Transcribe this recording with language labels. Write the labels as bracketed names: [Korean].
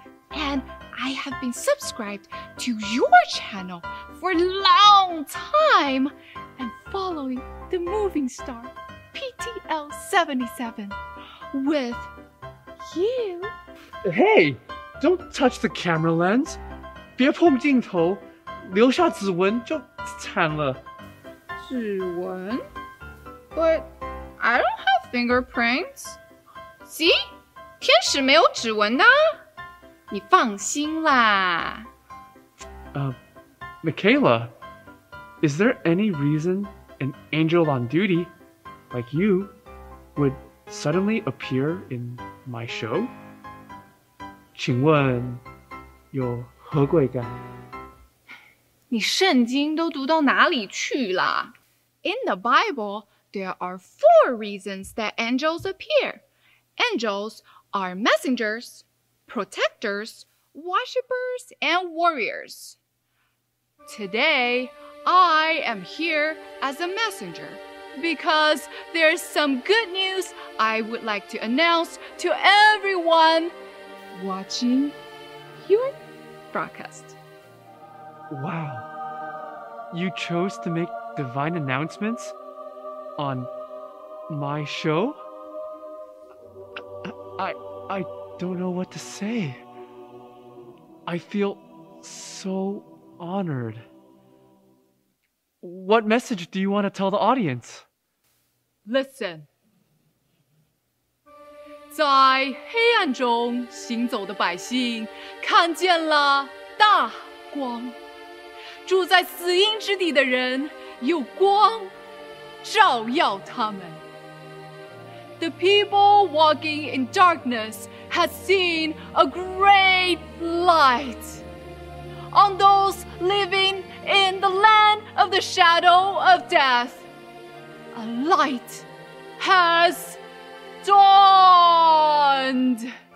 [English] And I have been subscribed to your channel for a long time and following the moving star PTL-77 with you. Hey, don't touch the camera lens. [Chinese] 别碰镜头，留下指纹就惨了。指纹? [English] But I don't have fingerprints. See? [Chinese] 天使没有指纹的。你放心啦。 [English] Michaela, is there any reason an angel on duty, like you, would suddenly appear in my show? [Chinese] 请问有何贵干？你圣经都读到哪里去了？ [English] In the Bible, there are 4 reasons that angels appear. Angels are messengers, protectors, worshippers, and warriors. Today, I am here as a messenger because there's some good news I would like to announce to everyone watching your broadcast. Wow, you chose to make divine announcements on my show? I don't know what to say. I feel so honored. What message do you want to tell the audience? Listen. [Chinese] 在黑暗中行走的百姓看见了大光。住在死荫之地的人有光照耀他们。 [English] The people walking in darkness have seen a great light. On those living in the land of the shadow of death, a light has dawned.